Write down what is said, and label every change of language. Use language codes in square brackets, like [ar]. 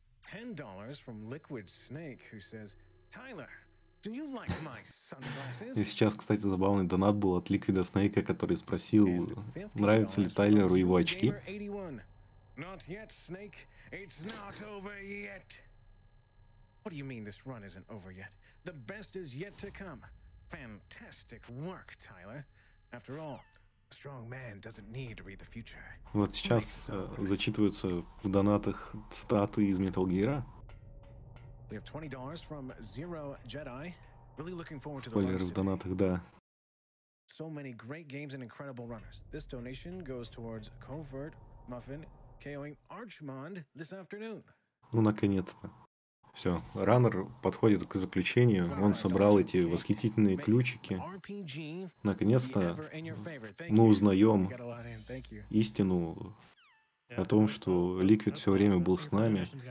[en] $10 from Liquid Snake, who says, Tyler, do you like my sunglasses? [ru] И сейчас, кстати, забавный донат был от Liquid Snake, который спросил, нравятся ли Тайлеру его очки. [en] Not yet, Snake. It's not over yet. What do you mean this run isn't over yet? The best is yet to come. Fantastic work, Tyler. After all, a strong man doesn't need to read the future. [ru] Вот сейчас зачитываются в донатах цитаты из Metal Gear. [en] We have $20 from Zero Jedi. Really looking forward to the [ru] spoiler в донатах, да. [en] So many great games and incredible runners. This donation goes towards Covert Muffin KOing Archmond this afternoon. [ru] Ну наконец-то. Все, Раннер подходит к заключению, он собрал эти восхитительные ключики. Наконец-то мы узнаем истину о том, что Liquid все время был с нами.